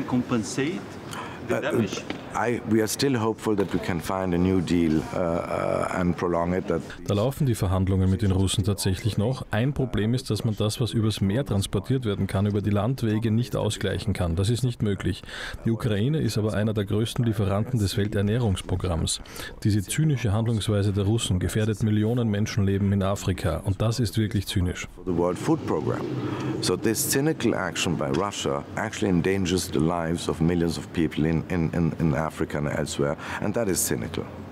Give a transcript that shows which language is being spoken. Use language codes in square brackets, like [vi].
[en] We are still hopeful that we can find a new deal and prolong it. [de] Da laufen die Verhandlungen mit den Russen tatsächlich noch. Ein Problem ist, dass man das, was übers Meer transportiert werden kann, über die Landwege nicht ausgleichen kann. Das ist nicht möglich. Die Ukraine ist aber einer der größten Lieferanten des Welternährungsprogramms. Diese zynische Handlungsweise der Russen gefährdet Millionen Menschenleben in Afrika. Und das ist wirklich zynisch. [en] The World Food Program. So this cynical action by Russia actually endangers the lives of millions of people in Africa and elsewhere, and that is cynical.